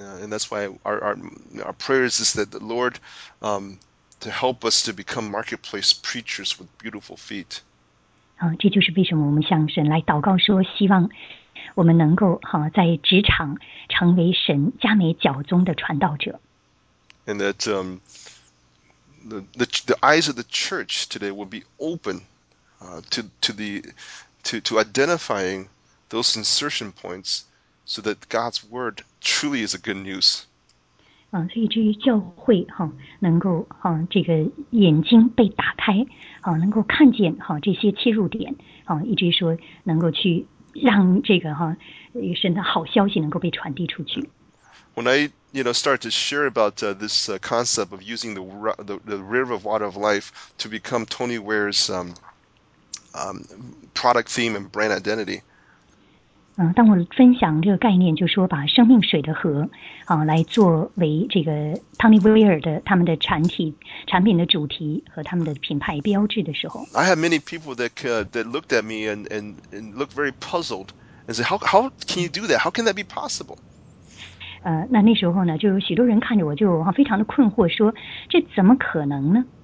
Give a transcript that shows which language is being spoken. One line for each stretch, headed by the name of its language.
English: And that's why our prayers is that the Lord, to help us to become marketplace preachers with beautiful feet.
Chinese: 这就是为什么我们向神来祷告说，希望我们能够哈在职场成为神加美脚踪的传道者。
English: And that the eyes of the church today will be open to identifying those insertion points so that God's word truly is a good news.
Chinese: 所以至于教会哈，能够哈这个眼睛被打开，哈能够看见哈这些切入点，哈以至于说能够去让这个哈神的好消息能够被传递出去。
English: When I, you know, start to share about this concept of using the river of water of life to become Tony Ware's product theme and brand identity.
Chinese: 当我分享这个概念，就是说把生命水的河啊来作为这个 Tony Ware 的他们的产品的主题和他们的品牌标志的时候，
English: I had many people that looked at me and looked very puzzled and said, how can you do that? How can that be possible?
Chinese: 那时候呢，就有许多人看着我，就非常的困惑，说这怎么可能呢